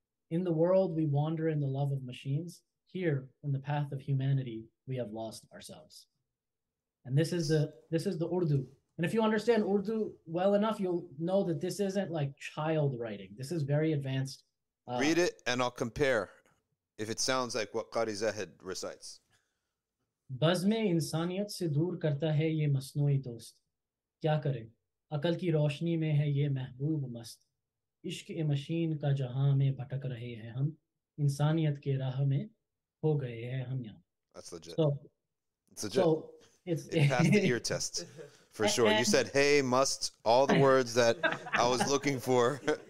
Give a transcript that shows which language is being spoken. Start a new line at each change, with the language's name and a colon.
English: In the world, we wander in the love of machines. Here, in the path of humanity, we have lost ourselves. And this is the Urdu. And if you understand Urdu well enough, you'll know that this isn't like child writing. This is very advanced. Read it and I'll compare if it sounds like what Qari Zahid recites.
Urdu: بزمِ انسانیت سے دور کرتا ہے یہ مصنوعی دوست۔ کیا کرے؟ عقل کی روشنی میں ہے یہ محبوب مست۔ عشقِ مشین کا جہاں میں بھٹک رہے ہیں ہم۔ انسانیت کے راہ میں ہو گئے ہیں ہم یہاں۔
English: That's legit. It passed the ear test for sure. You said hey, must, all the words that I was looking for.